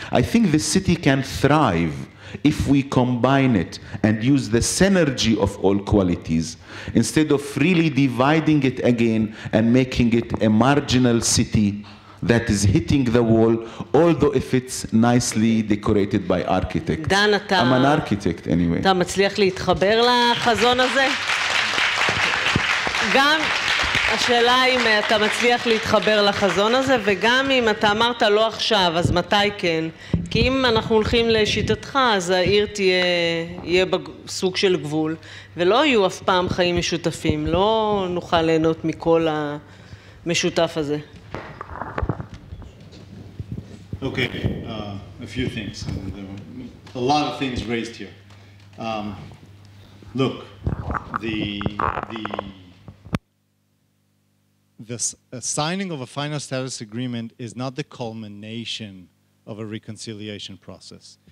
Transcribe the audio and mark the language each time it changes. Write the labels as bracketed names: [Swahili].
[English] I think this city can thrive if we combine it and use the synergy of all qualities instead of really dividing it again and making it a marginal city that is hitting the wall, although if it's nicely decorated by architect. [Hebrew] דן, אתה, [English] I'm an architect anyway. [Hebrew] אתה מצליח להתחבר לחזון הזה? גם השאלה אם אתה מצליח להתחבר לחזון הזה, וגם אם אתה אמרת לא עכשיו, אז מתי כן? כי אם אנחנו הולכים לשיטתך, אז העיר תהיה בסוג של גבול, ולא יהיו אף פעם חיים משותפים, לא נוכל ליהנות מכל המשותף הזה. [English] Okay, a few things. There were a lot of things raised here. Look, the signing of a final status agreement is not the culmination of a reconciliation process.